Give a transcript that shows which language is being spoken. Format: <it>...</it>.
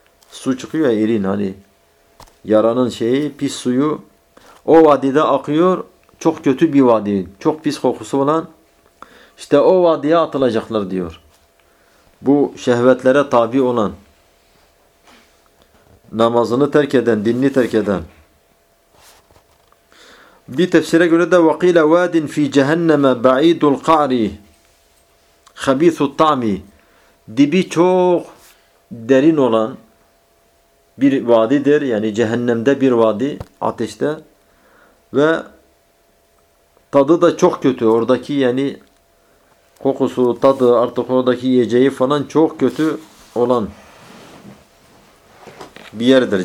<tr>Su çıkıyor ya, irin hani. Yaranın şeyi, pis suyu. O vadide akıyor. Çok kötü bir vadi. Çok pis kokusu olan. İşte o vadiye atılacaklar diyor. Bu şehvetlere tabi olan, namazını terk eden, dinini terk eden. Bir tefsire göre de</tr> <ar>وَقِيلَ وَادٍ فِي جَهَنَّمَ بَعِيدُ الْقَعْرِ خَبِيثُ الطَّعْمِ.</ar> <tr>Dibi çok derin olan bir vadidir. Yani cehennemde bir vadi, ateşte. Ve tadı da çok kötü. Oradaki yani kokusu, tadı, artık oradaki yiyeceği falan çok kötü olan bir yerdir.</tr>